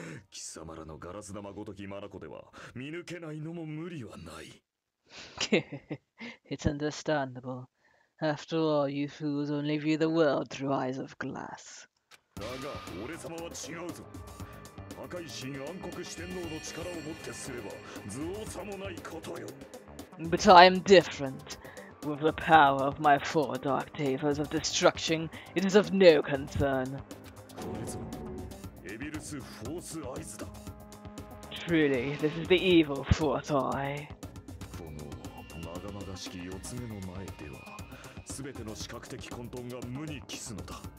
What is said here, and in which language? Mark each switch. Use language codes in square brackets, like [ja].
[ja] 貴様らのガラス玉ごとき眼では見抜けないのも無理はない。 [en] It's understandable. After all, you fools only view the world through eyes of glass. [ja] だが、俺様は違うぞ。破壊神暗黒四天王の力を持ってすれば、図王さもないことよ。 [en] But I am different. With the power of my four dark tavers of destruction, it is of no concern. [ja] これぞ、エビルス・フォース・アイズだ。 [en] Truly, this is the evil fourth eye. [ja] この、長々しき四つ目の前では、すべての視覚的混沌が無に帰すのだ。